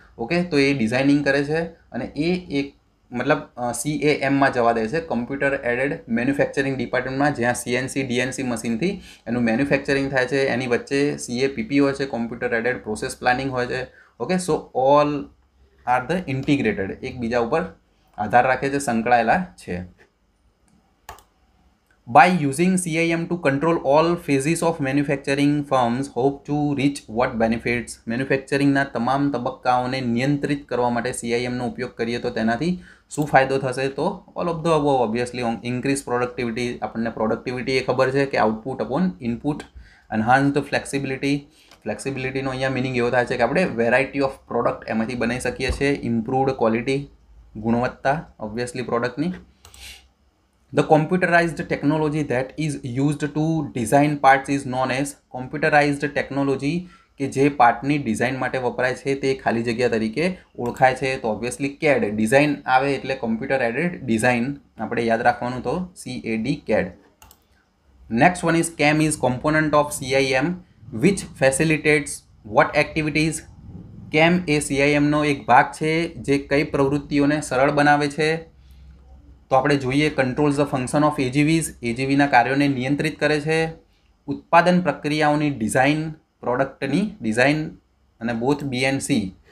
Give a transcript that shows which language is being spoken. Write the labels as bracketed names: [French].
[Gujarati] Okay, તો એ designing કરે છે અને એ એક મતલબ CAM જવા દે છે, કમ્પ્યુટર એડેડ મેન્યુફેક્ચરિંગ ડિપાર્ટમેન્ટમાં, જ્યાં CNC DNC મશીનથી એનું મેન્યુફેક્ચરિંગ થાય છે. એની વચ્ચે CAPP હોય છે, કમ્પ્યુટર એડેડ પ્રોસેસ પ્લાનિંગ હોય છે. Okay, [English] so all are the integrated, [Gujarati] એકબીજા ઉપર આધાર રાખે છે, સંકળાયેલા છે. [English] By using CIM to control all phases of manufacturing, firms hope to reach what benefits? [Gujarati] મેન્યુફેક્ચરિંગના તમામ તબક્કાઓને નિયંત્રિત કરવા માટે CIM નો ઉપયોગ કરીએ તો તેનાથી શું ફાયદો થશે? તો [English] All of the above, obviously increase productivity. [Gujarati] આપણને પ્રોડક્ટિવિટી એ ખબર છે કે output upon input. Enhanced flexibility, ફ્લેક્સિબિલિટીનો અહીંયા મિનિંગ એવો થાય છે કે આપણે વેરાયટી ઓફ પ્રોડક્ટ એમાંથી બનાવી શકીએ છીએ. ઇમ્પ્રુવડ ક્વોલિટી, ગુણવત્તા ઓબ્વિયસલી પ્રોડક્ટની. [English] The computerized technology that is used to design parts is known as computerized technology. [Gujarati] કે જે પાર્ટની ડિઝાઇન માટે વપરાય છે તે ખાલી જગ્યા તરીકે ઓળખાય છે. તો ઓબ્વિયસલી CAD ડિઝાઇન આવે એટલે કમ્પ્યુટર એડેડ ડિઝાઇન આપણે યાદ રાખવાનું, તો CAD CAD. [English] Next one is CAM is component of CIM which facilitates what activities? [Gujarati] CAM એ CIMનો એક ભાગ છે જે કઈ પ્રવૃત્તિઓને સરળ બનાવે છે? તો આપણે જોઈએ, [English] controls the function of AGVs, [Gujarati] AGVના કાર્યોને નિયંત્રિત કરે છે. ઉત્પાદન પ્રક્રિયાઓની ડિઝાઇન, પ્રોડક્ટની ડિઝાઇન, અને બોથ BNC.